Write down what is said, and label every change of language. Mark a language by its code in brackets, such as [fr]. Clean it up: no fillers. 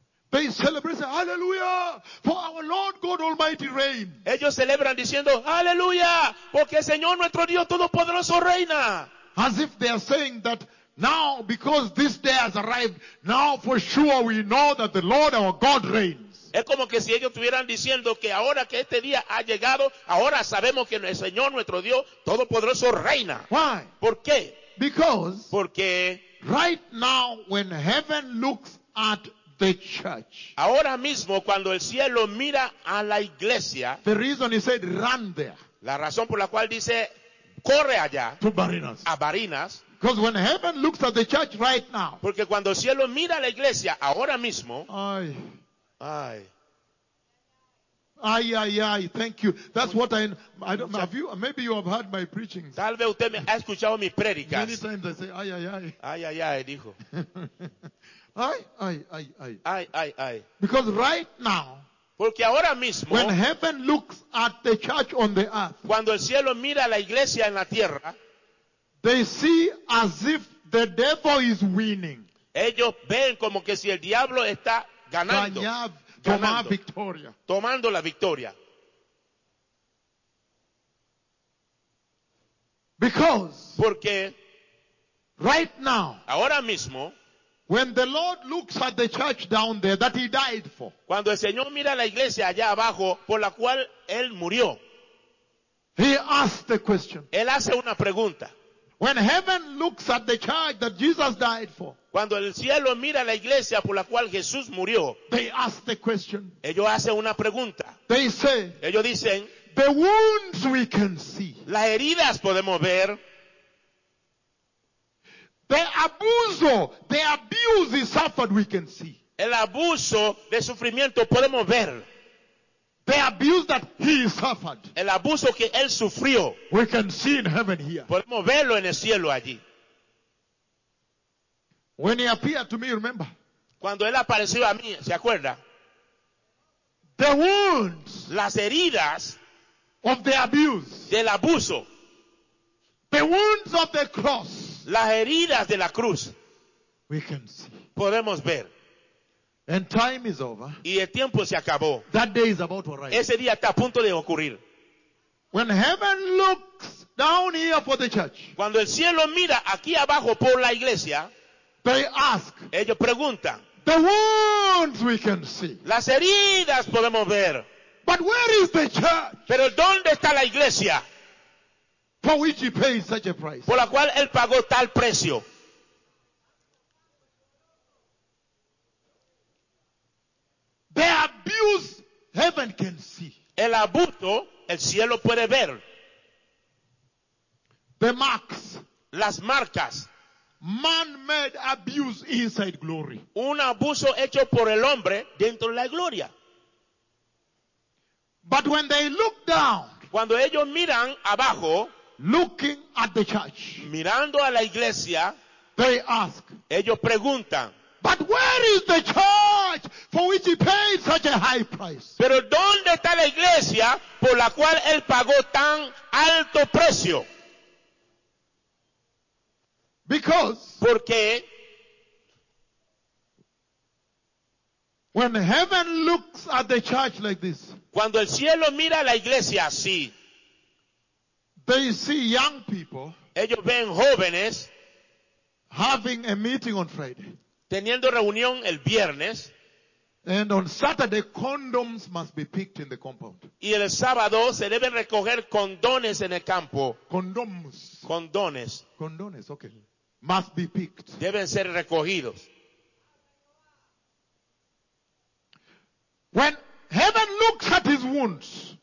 [en] They celebrate, hallelujah, for our Lord God Almighty reign. [es] Ellos celebran diciendo, hallelujah, porque el Señor nuestro Dios Todopoderoso reina. [en] As if they are saying that now, because this day has arrived, now for sure we know that the Lord our God reigns. [es] Es como que si ellos estuvieran diciendo que ahora que este día ha llegado, ahora sabemos que el Señor nuestro Dios Todopoderoso reina. [en] Why? [es] ¿Por qué? [en] Because [es] porque [en] right now when heaven looks at the church, [es] ahora mismo cuando el cielo mira a la iglesia, [en] the reason he said run there, [es] la razón por la cual dice corre allá, [en] to Barinas, [es] a Barinas. [en] Because when heaven looks at the church right now, [es] porque cuando el cielo mira a la iglesia ahora mismo, ay, ay, ay, ay, ay, thank you. [en] That's what I don't know. Have you, maybe you have heard my preaching. [es] Tal vez usted me ha escuchado mis predicas. [en] Many times I say, ay, ay, ay. [es] Ay, ay, ay, dijo. Ay, ay, ay, ay. Ay, ay, ay. [en] Because right now, [es] porque ahora mismo, [en] when heaven looks at the church on the earth, [es] cuando el cielo mira a la iglesia en la tierra, [en] they see as if the devil is winning. [es] Ellos ven como que si el diablo está ganando, victoria. Tomando la victoria. [en] Because [es] porque [en] right now, [es] ahora mismo, [en] when the Lord looks at the church down there that he died for, [es] cuando el Señor mira la iglesia allá abajo por la cual él murió, [en] he asks the question. [es] Él hace una pregunta. [en] When heaven looks at the church that Jesus died for, [es] cuando el cielo mira la iglesia por la cual Jesús murió, [en] they ask the question. [es] Ellos hacen una pregunta. [en] They say, [es] ellos dicen, [en] the wounds we can see, [es] las heridas podemos ver, [en] the abuso, the abuse he suffered we can see, [es] el abuso de sufrimiento podemos ver, [en] the abuse that he suffered, [es] el abuso que él sufrió, [en] we can see in heaven here, [es] podemos verlo en el cielo allí. [en] When he appeared to me, remember? [es] Cuando él apareció a mí, ¿se acuerda? [en] The wounds, [es] las heridas, [en] of the abuse, [es] del abuso, [en] the wounds of the cross, [es] las heridas de la cruz, [en] we can see, [es] podemos ver. [en] And time is over. [es] Y el tiempo se acabó. [en] That day is about to arrive. [es] Ese día está a punto de ocurrir. [en] When heaven looks down here for the church, [es] cuando el cielo mira aquí abajo por la iglesia, [en] they ask, [es] ellos preguntan, [en] the wounds we can see, [es] las heridas podemos ver, [en] but where is the church, [es] pero ¿dónde está la iglesia, [en] for which he paid such a price, [es] por la cual él pagó tal precio? [en] The abuse heaven can see, [es] el abuso el cielo puede ver, [en] the marks, [es] las marcas. [en] Man-made abuse inside glory. [es] Un abuso hecho por el hombre dentro de la gloria. [en] But when they look down, [es] cuando ellos miran abajo, [en] looking at the church, [es] mirando a la iglesia, [en] they ask, [es] ellos preguntan, [en] but where is the church for which he paid such a high price? [es] Pero ¿dónde está la iglesia por la cual él pagó tan alto precio? [en] Because [es] porque [en] when heaven looks at the church like this, [es] cuando el cielo mira a la iglesia así, [en] they see young people, [es] ellos ven jóvenes, [en] having a meeting on Friday, [es] teniendo reunión el viernes, [en] and on Saturday condoms must be picked in the compound, [es] y el sábado se deben recoger condones en el campo. [en] Condoms. [es] Condones. [en] Condones, okay. must be picked. [es] Deben ser recogidos. [en] When heaven looks at his wounds,